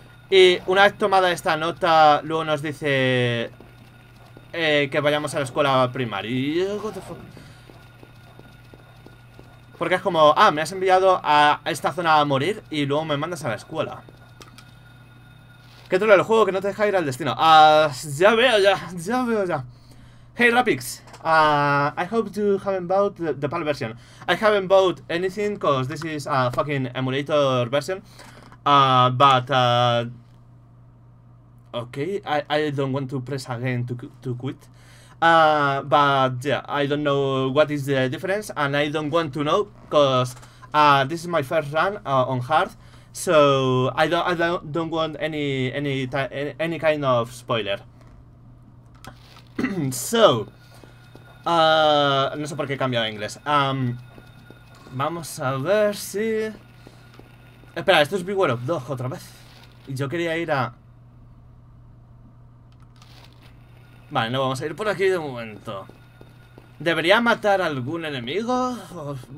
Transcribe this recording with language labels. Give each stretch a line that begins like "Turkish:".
Spanish: Y una vez tomada esta nota, luego nos dice que vayamos a la escuela primaria.
English: What the fuck?
Spanish: Porque es como, ah, me has enviado a esta zona a morir y luego me mandas a la escuela. ¿Qué troll el juego que no te deja ir al destino? Ah, ya veo, ya, ya veo, ya. Hey, Rapix.
English: I hope you haven't bought the PAL version. I haven't bought anything because this is a fucking emulator version. But. Okay, I don't want to press again to quit. But yeah, I don't know what is the difference and I don't want to know because this is my first run on hard. So I don't want any kind of spoiler. So.
Spanish: No sé por qué he cambiado a inglés. Vamos a ver si. Espera, esto es Beware of Dog otra vez. Y yo quería ir a. Vale, no vamos a ir por aquí de momento. ¿Debería matar a algún enemigo?